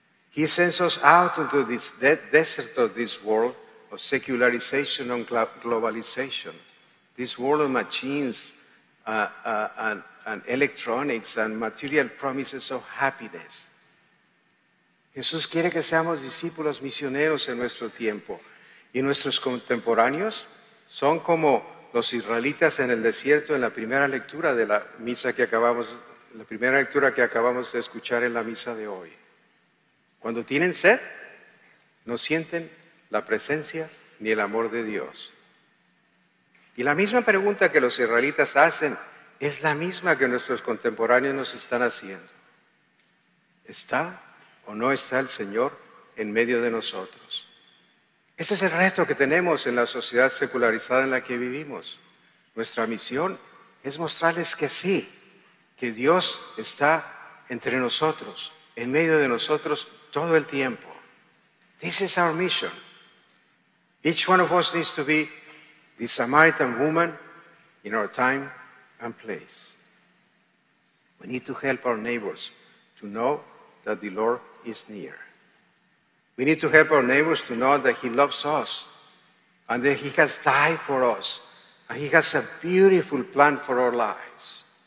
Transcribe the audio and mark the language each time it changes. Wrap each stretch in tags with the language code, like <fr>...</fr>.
<en>He sends us out into this desert of this world of secularization and globalization, this world of machines and electronics and material promises of happiness.</en> <es>Jesús quiere que seamos discípulos misioneros en nuestro tiempo. Y nuestros contemporáneos son como los israelitas en el desierto en la primera lectura de la misa que acabamos, la primera lectura que acabamos de escuchar en la misa de hoy. Cuando tienen sed, no sienten la presencia ni el amor de Dios. Y la misma pregunta que los israelitas hacen es la misma que nuestros contemporáneos nos están haciendo. ¿Está o no está el Señor en medio de nosotros? Ese es el reto que tenemos en la sociedad secularizada en la que vivimos. Nuestra misión es mostrarles que sí, que Dios está entre nosotros, en medio de nosotros todo el tiempo.</es> <en>This is our mission. Each one of us needs to be the Samaritan woman in our time and place. We need to help our neighbors to know that the Lord is near. We need to help our neighbors to know that he loves us and that he has died for us and he has a beautiful plan for our lives.</en>